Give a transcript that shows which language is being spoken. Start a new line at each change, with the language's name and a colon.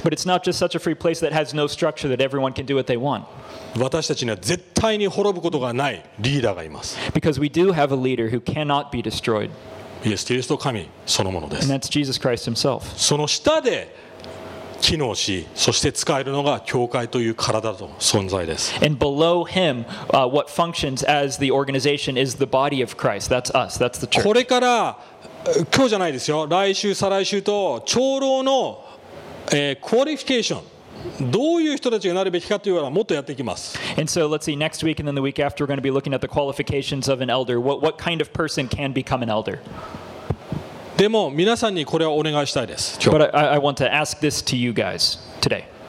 English: But it's not just such a free place that has no structure that everyone can do what they want.
Japanese: 私たちには絶対に滅ぶことがないリーダーがいます。
English: Because we do have a leader who cannot be destroyed.
Japanese: イエス・キリスト神そのものです。
English: And that's Jesus Christ himself.
Japanese: その下で機能し、そして使えるのが教会という体と存在です。
English: And below him, what functions as the organization is the body of Christ. That's us. That's the church.
Japanese: これから、今日じゃないですよ。来週、再来週と長老の、クオリフィケーション。
English: And so let's see, next week and then the week after we're going to be looking at the qualifications of an elder. What kind of person can become an elder? But I want to ask this to you guys today.